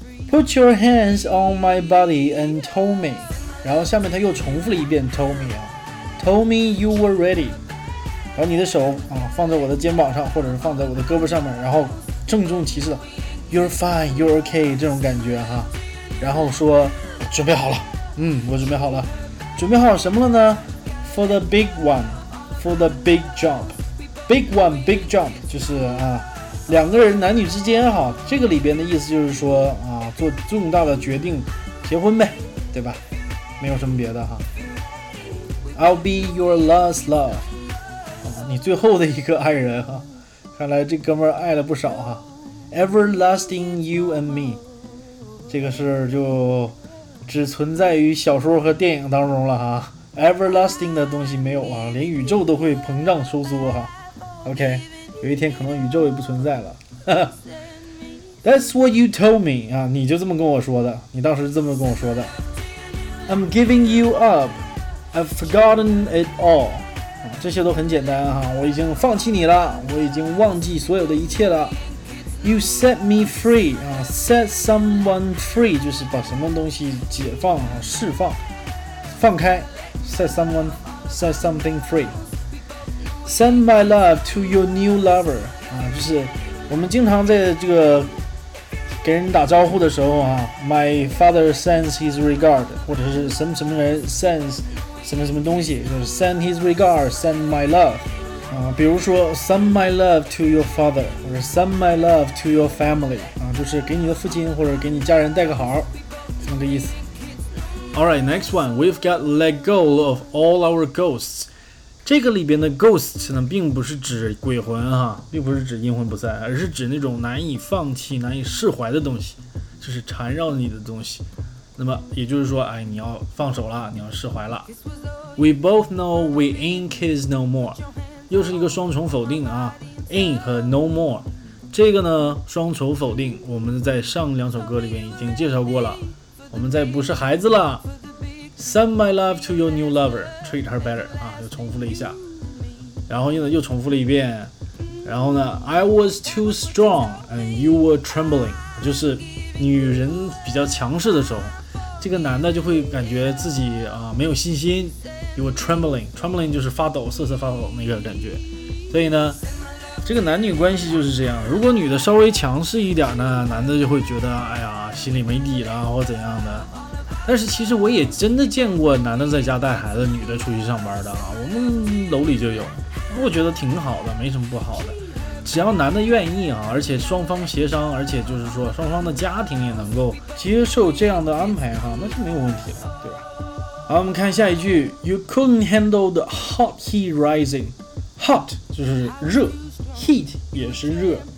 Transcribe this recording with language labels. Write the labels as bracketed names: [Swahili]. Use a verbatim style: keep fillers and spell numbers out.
[English] Put your hands on my body and told me， [Chinese] 然后下面他又重复了一遍 [English] told me [Chinese] 啊 [English] told me you were ready， [Chinese] 然后你的手啊放在我的肩膀上，或者是放在我的胳膊上面，然后郑重其事的 [English] You're fine, you're okay [Chinese] 这种感觉哈。然后说准备好了，嗯，我准备好了，准备好什么了呢？ [English] For the big one, for the big jump. Big one, big jump [Chinese] 就是啊两个人男女之间哈，这个里边的意思就是说啊做重大的决定，结婚呗，对吧？没有什么别的哈。 [English] I'll be your last love， [Chinese] 你最后的一个爱人哈，看来这哥们儿爱了不少哈。 [English] Everlasting you and me， [Chinese] 这个是就只存在于小说和电影当中了哈。 Everlasting 的东西没有啊，连宇宙都会膨胀收缩哈。 OK， 有一天可能宇宙也不存在了。 [English] That's what you told me [Chinese] 啊，你就这么跟我说的，你当时这么跟我说的。 [English] I'm giving you up, I've forgotten it all。 [Chinese] 这些都很简单哈，我已经放弃你了，我已经忘记所有的一切了。 [English] You set me free [Chinese] 啊 ， [English] set someone free [Chinese] 就是把什么东西解放啊，释放、放开。 [English] Set someone, set something free. Send my love to your new lover [Chinese] 啊，就是我们经常在这个给人打招呼的时候啊 ， [English] My father sends his regard， [Chinese] 或者是什么什么人 sends。什么什么东西就是 [English] send his regard, send my love [Chinese] 啊，比如说 [English] send my love to your father [Chinese] 或者 [English] send my love to your family [Chinese] 啊，就是给你的父亲或者给你家人带个好，这么个意思。 [English] Alright, next one, we've got let go of all our ghosts。 [Chinese] 这个里边的 ghosts 呢并不是指鬼魂哈，并不是指阴魂不散，而是指那种难以放弃、难以释怀的东西，就是缠绕你的东西。那么也就是说，哎，你要放手了，你要释怀了。 [English] We both know we ain't kids no more， [Chinese] 又是一个双重否定啊 ，ain't 和 no more， 这个呢双重否定，我们在上两首歌里面已经介绍过了，我们再不是孩子了。 [English] Send my love to your new lover, treat her better 啊， [Chinese] 又重复了一下，然后又又重复了一遍，然后呢 [English] ，I was too strong and you were trembling， [Chinese] 就是女人比较强势的时候。这个男的就会感觉自己啊、呃、没有信心，因为 trembling trembling 就是发抖，瑟瑟发抖那个感觉。所以呢，这个男女关系就是这样。如果女的稍微强势一点呢，男的就会觉得哎呀心里没底了或怎样的。但是其实我也真的见过男的在家带孩子，女的出去上班的啊，我们楼里就有，我觉得挺好的，没什么不好的。只要男的愿意啊，而且双方协商，而且就是说双方的家庭也能够接受这样的安排哈，那就没有问题了，对吧？好，我们看下一句 ， [English] You couldn't handle the hot heat rising。 [Chinese] Hot 就是热 ，heat 也是热